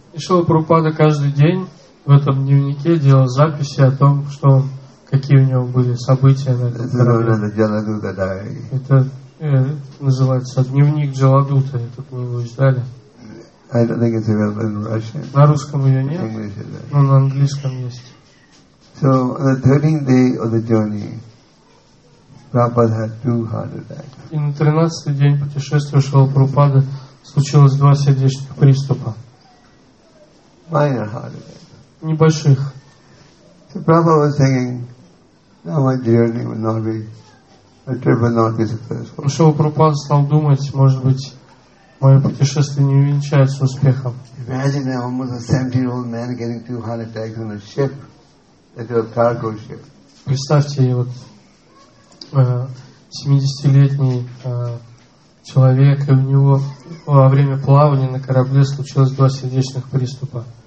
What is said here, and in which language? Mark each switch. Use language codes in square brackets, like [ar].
[ru] И Шрила Прабхупада каждый день в этом дневнике делал записи о том, что он, какие у него были события на этом корабле. Это называется дневник Джаладута. Я тут его издали. На русском ее нет, но на английском есть. [en] So on the 13th day of the journey, Prabhupada had two heart attacks. [ru] И на 13-й день путешествия Шрила Прабхупада случилось два сердечных приступа. [en] Minor heart attack. [ru] Небольших. [en] So Prabhupada was thinking, now my journey will not be, my trip will not be successful. [ru] Шрила Прабхупада стал думать, может быть, мое путешествие не увенчается успехом. [en] Imagine almost a 70-year-old man getting two heart attacks on a ship. [ru] Это [en] cargo ship. [ru] Представьте, вот 70-летний человек, и у него во время плавания на корабле случилось два сердечных приступа.